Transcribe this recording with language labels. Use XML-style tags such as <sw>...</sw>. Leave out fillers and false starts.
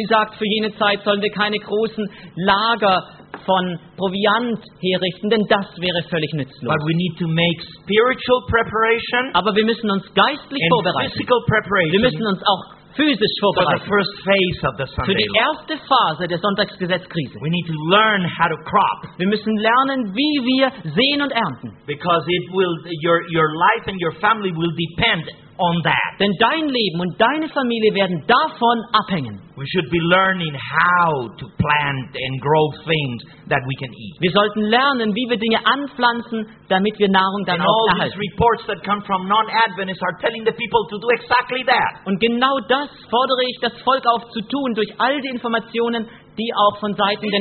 <de>Sie sagt, für jene Zeit sollen wir keine großen Lager von Proviant herrichten, denn das wäre völlig nützlos.</de> <en>But we need to make spiritual preparation.</en> <de>Aber wir müssen uns geistlich</de> <en>and</en> <de>vorbereiten.</de> <en>Physical preparation.</en> <de>Wir müssen uns auch physisch vorbereiten.</de> <en>For the first phase of the Sunday.</en> <de>Für die erste Phase der Sonntagsgesetzkrise.</de> <en>We need to learn how to crop.</en> <de>Wir müssen lernen, wie wir sehen und ernten.</de> <en>Because it will your life and your family will depend on that.</en> <de>Denn dein Leben und deine Familie werden davon abhängen.</de> <en>We should be learning how to plant and grow things that we can eat.</en> <de>Wir sollten lernen, wie wir Dinge anpflanzen, damit wir Nahrung daraus erhalten.</de> <en>And all these reports that come from non-Adventists are telling the people to do exactly that.</en> <de>Und genau das fordere ich das Volk auf zu tun durch all die Informationen, die auch von Seiten der</de>